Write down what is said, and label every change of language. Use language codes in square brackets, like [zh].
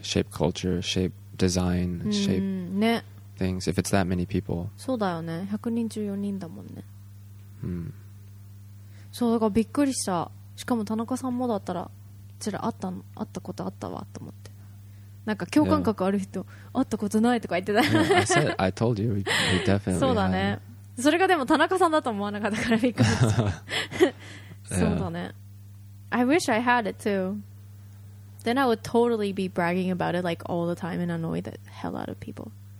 [en] Shape culture, shape design, shape things. If it's that many people. [ja] そうだよね。100人中4人だもんね。うん。そうだからびっくりした。しかも田中さんもだったら、ちらあったの、あったことあったわと思って。なんか共感覚ある人、 [en] yeah. [ja] あったことないとか言ってた。 [en] Yeah, I said, I told you, we definitely. [ja] そうだね。それがでも田中さんだと思わなかったからびっくりした。そうだね。 [en] I wish I had it too. Then I would totally be bragging about it like all the time and annoy the hell out of people.